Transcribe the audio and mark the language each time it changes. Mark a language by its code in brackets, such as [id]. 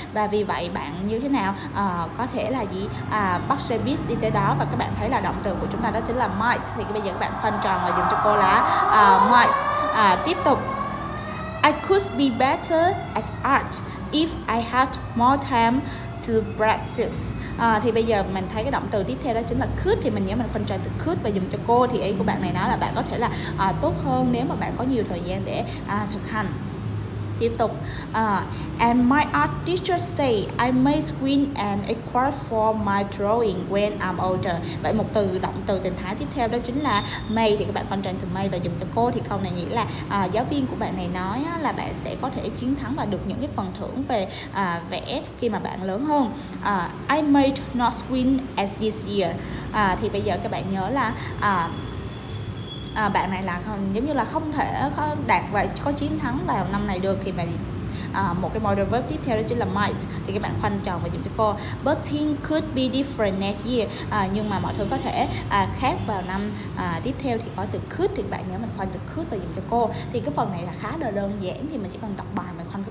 [vi] Và vì vậy bạn như thế nào, có thể là gì, bắt xe bus đi tới đó. Và các bạn thấy là động từ của chúng ta đó chính là might. Thì bây giờ các bạn khoanh tròn và dùng cho cô là might. Tiếp tục, [en] I could be better at art if I had more time to practice. [vi] Thì bây giờ mình thấy cái động từ tiếp theo đó chính là could. Thì mình nhớ mình phân trần từ could và dùng cho cô. Thì ý của bạn này nói là bạn có thể là tốt hơn nếu mà bạn có nhiều thời gian để thực hành. Tiếp tục, [en] and my art teacher say I may win an award for my drawing when I'm older. [vi] Vậy một từ động từ tình thái tiếp theo đó chính là may. Thì các bạn phân trần từ may và dùng cho cô. Thì câu này nghĩa là giáo viên của bạn này nói là bạn sẽ có thể chiến thắng và được những cái phần thưởng về vẽ khi mà bạn lớn hơn. [en] I may not win as this year. [vi] Thì bây giờ các bạn nhớ là bạn này là giống như là không thể đạt và có chiến thắng vào năm này được. Thì mà một cái modal verb tiếp theo đó chính là might. Thì các bạn khoanh tròn và dùng cho cô. [en] But things could be different next year. [vi] Nhưng mà mọi thứ có thể khác vào năm tiếp theo. Thì có từ could, thì bạn nhớ mình khoanh từ could và dùng cho cô. Thì cái phần này là khá là đơn giản, thì mình chỉ cần đọc bài mình khoanh cái